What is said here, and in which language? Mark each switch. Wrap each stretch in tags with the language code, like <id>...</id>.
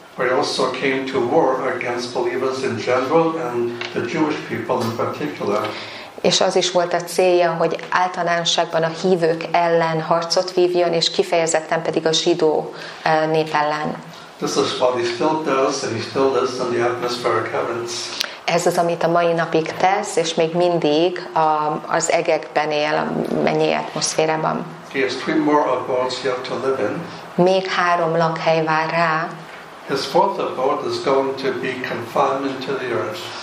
<en>But he also came to war against believers in general and the Jewish people in particular.</en> <hu>És az is volt a célja, hogy általánosságban a hívők ellen harcot vívjon, és kifejezetten pedig a zsidó nép ellen.</hu> <en>This is what he still does, and he still lives in the atmospheric heavens.</en> <hu>Ez az, amit a mai napig tesz, és még mindig az egekben él, a mennyi atmoszférában.</hu> <en>He has three more abodes yet to live in.</en> <hu>Még három lakhely vár rá.</hu> <en>His fourth abode is going to be confined into the earth.</en>